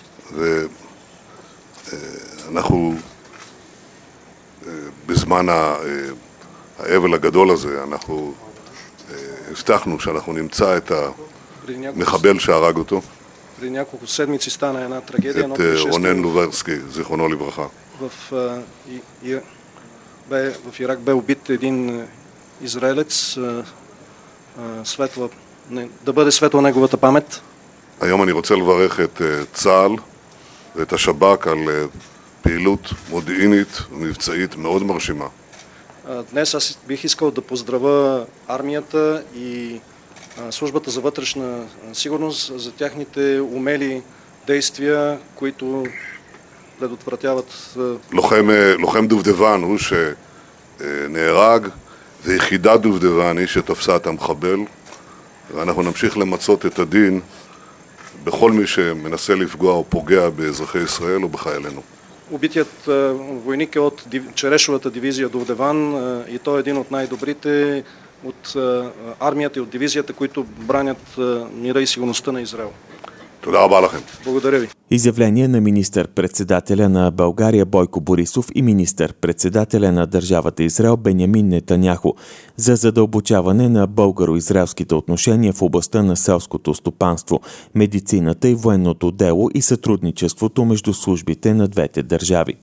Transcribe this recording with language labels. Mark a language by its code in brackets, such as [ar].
[he] ואנחנו בזמן האבל הגדול הזה, אנחנו הבטחנו שאנחנו נמצא את ה... מחבל שהרג אותו. את רונן לוברסקי, זיכרונו לברכה. [bg] В Ирак бе убит един израелец, светла, да бъде светла неговата памет. [he] היום אני רוצה לברך את צה"ל ואת השב"כ על פעילות מודיעינית ומבצעית מאוד מרשימה. [bg] Днес аз бих искал да поздравя армията и службата за вътрешна сигурност за тяхните умели действия, които предотвратяват. [he] Лохем דובדבן הוא שנהרג, ויחידה דובדבן היא שתפסה את המחבל, ואנחנו נמשיך למצות את הדין בכל מי שמנסה לפגוע או פוגע באזרחי ישראל או בחיילינו. [bg] Убитият войник е от черешовата дивизия דובדבן и той е един от най-добрите от армията и от дивизията, които бранят мира и сигурността на Израел. Благодаря ви. Изявление на министър-председателя на България Бойко Борисов и министър-председателя на държавата Израел Бенямин Нетаняху за задълбочаване на българо-израелските отношения в областта на селското стопанство, медицината и военното дело и сътрудничеството между службите на двете държави.